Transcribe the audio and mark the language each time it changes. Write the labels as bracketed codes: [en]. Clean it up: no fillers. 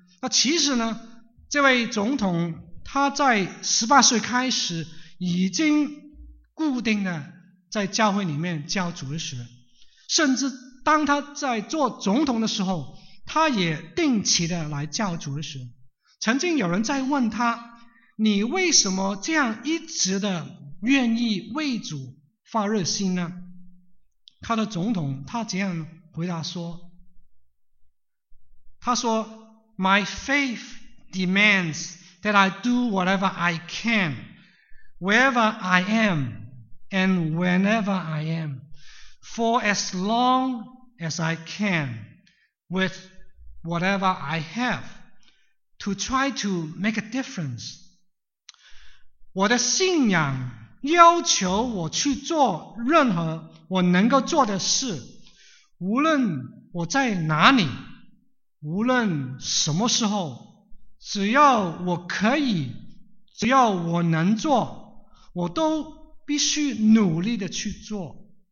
[zh] 那其实呢，这位总统他在18岁开始已经固定的在教会里面教主日学，甚至当他在做总统的时候他也定期的来教主日学。曾经有人在问他，你为什么这样一直的愿意为主发热心呢？他的总统他这样回答说，他说 [en] My faith demands that I do whatever I can wherever I am and whenever I am for as long as I can with whatever I have to try to make a difference。 [zh] 我的信仰要求我去做任何我能够做的事，无论我在哪里，无论什么时候，只要我可以，只要我能做，我都必须努力的去做。